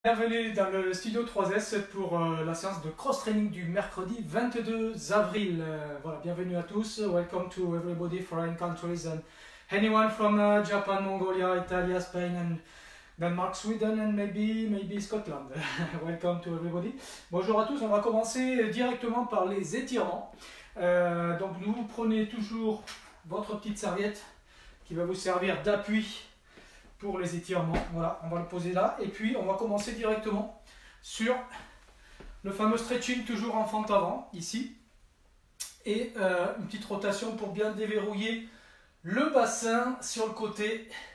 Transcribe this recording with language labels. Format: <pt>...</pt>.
<fr>Bienvenue dans le studio 3S pour la séance de cross-training du mercredi 22 avril. Voilà, bienvenue à tous.</fr> <en>Welcome to everybody, foreign countries and anyone from Japan, Mongolia, Italy, Spain and Denmark, Sweden and maybe Scotland. Welcome to everybody.</en> <fr>Bonjour à tous. On va commencer directement par les étirements. Donc, nous prenez toujours votre petite serviette qui va vous servir d'appui pour les étirements. Voilà, on va le poser là et puis on va commencer directement sur le fameux stretching toujours en fente avant ici et une petite rotation pour bien déverrouiller le bassin sur le côté.</fr>